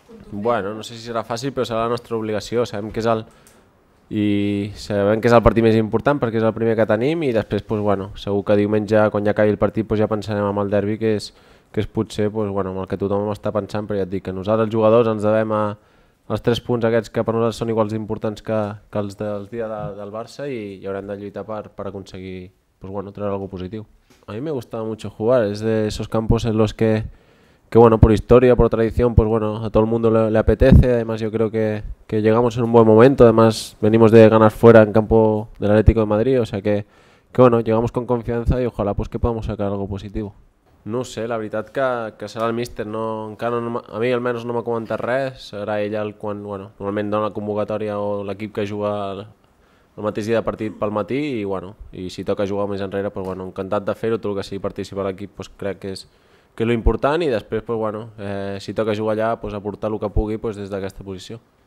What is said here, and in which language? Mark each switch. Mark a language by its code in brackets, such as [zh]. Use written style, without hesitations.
[ca] Bueno, no sé si serà fàcil, però serà la nostra obligació. Sabem que és el, i sabem que és el partit més important perquè és el primer que tenim, i després pues, bueno, segur que diumenge, quan ja acabi el partit, pues, ja pensarem en el derbi, que és potser pues, bueno, el que tothom està pensant, però ja et dic que nosaltres els jugadors ens devem a els tres punts aquests, que per nosaltres són iguals d'importants que els del dia del Barça, i hi haurem de lluitar per aconseguir pues, bueno, treure alguna cosa positiu. [es] A mi me gusta mucho jugar, es de esos campos en los que bueno, por historia, por tradición, pues bueno, a todo el mundo le apetece. Además, yo creo que llegamos en un buen momento. Además, venimos de ganar fuera en campo del Atlético de Madrid. O sea que bueno, llegamos con confianza y ojalá pues que podamos sacar algo positivo. [ca] No sé, la veritat que serà el míster. No, encara no, a mi almenys no m'ha comentat res. Serà ell el quan, bueno, normalment dona la convocatòria o l'equip que juga el mateix dia de partit pel matí. I bueno, i si toca jugar més enrere, pues bueno, encantat de fer-ho. Tot el que sigui participar a l'equip, pues crec que és... que és l'important, i després pues, bueno, si toca jugar allà, pues, aportar el que pugui pues, des d'aquesta posició.